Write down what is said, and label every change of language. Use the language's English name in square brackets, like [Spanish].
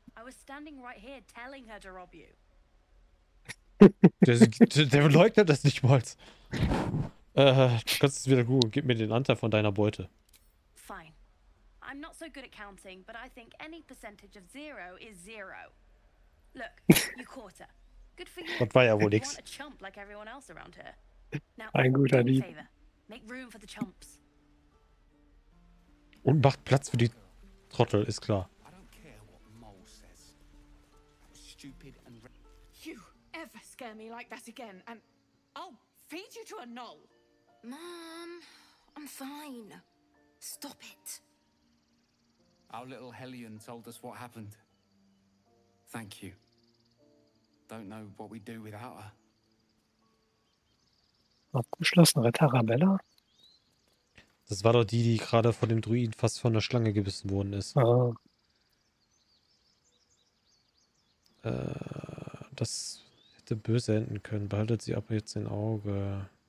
[English] I was standing right here telling her to rob you. [German] Der leugnet das nicht mal. Du kannst es wieder googeln. Gib mir den Anteil von deiner Beute. [English] Fine. I'm not so good at counting, but I think any percentage of zero is zero. Look, you caught her. Good for you. [German] Das war ja wohl nix. [English] A chump like everyone else around her. [German] Now, ein guter Dieb. Favor. [English] Make room for the chumps. [German] Und macht Platz für die Trottel, ist klar. [English] I don't care what Mole says. Stupid and you ever scare me like that again, and I'll feed you to a gnoll. Mom, I'm fine. Stop it. Our little Hellion told us what happened. Thank you. Don't know what we'd do without her. [German] Abgeschlossen, Ritter Arabella? Das war doch die, die gerade von dem Druiden fast von der Schlange gebissen worden ist. Oh. Das hätte böse enden können. Behaltet sie aber jetzt im Auge.